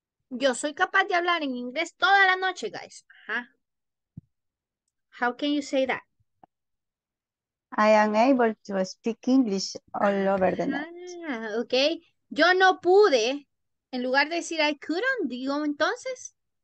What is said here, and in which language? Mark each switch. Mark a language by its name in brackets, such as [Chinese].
[Spanish] Yo soy capaz de hablar en inglés toda la noche, guys. [English] Huh? How can you say that? I am able to speak English all over the night. [Spanish] Okay. Yo no pude. En lugar de decir I couldn't, digo entonces.